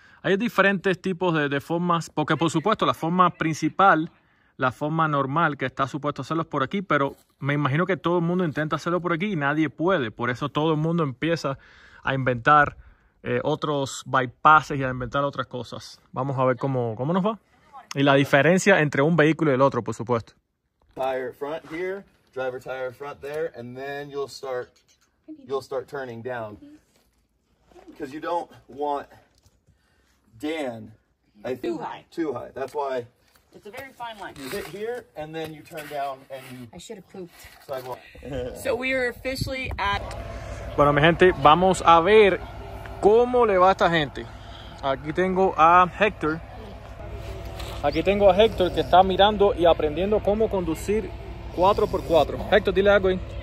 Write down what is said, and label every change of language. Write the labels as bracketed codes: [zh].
[es] Hay diferentes tipos de formas, porque por supuesto la forma principal, la forma normal que está supuesto hacerlo es por aquí, pero me imagino que todo el mundo intenta hacerlo por aquí y nadie puede. Por eso todo el mundo empieza a inventar otros bypasses y a inventar otras cosas. Vamos a ver cómo nos va. Y la diferencia entre un vehículo y el otro, por supuesto. [en] Tire front here, driver tire front there, and then you'll start turning down. Because you don't want Dan, I think, too high. That's why. It's a very fine line. You hit here, and then you turn down, and you. I should have pooped. Sidewalk. So we are officially at. [es] Bueno, mi gente, vamos a ver cómo le va a esta gente. Aquí tengo a Hector. Aquí tengo a Hector que está mirando y aprendiendo cómo conducir 4x4. Hector, dile algo ahí.